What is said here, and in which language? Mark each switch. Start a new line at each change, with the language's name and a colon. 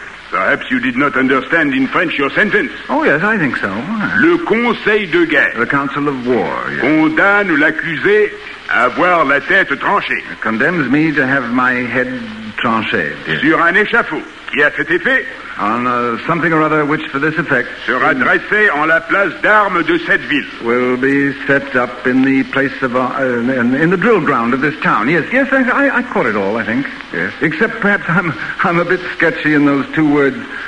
English: Perhaps you did not understand in French your sentence. Oh, yes, I think so.
French: Le conseil de guerre.
English: The council of war, yes.
French: Condamne l'accusé... Avoir la tête tranchée. It
English: condemns me to have my head tranchée. Yes.
French: Sur un échafaud, qui a cet effet?
English: On something or other which for this effect...
French: Sera dressé en la place d'armes de cette ville.
English: Will be set up in the place of... in the drill ground of this town. Yes, yes, I caught it all, I think. Yes. Except perhaps I'm a bit sketchy in those two words.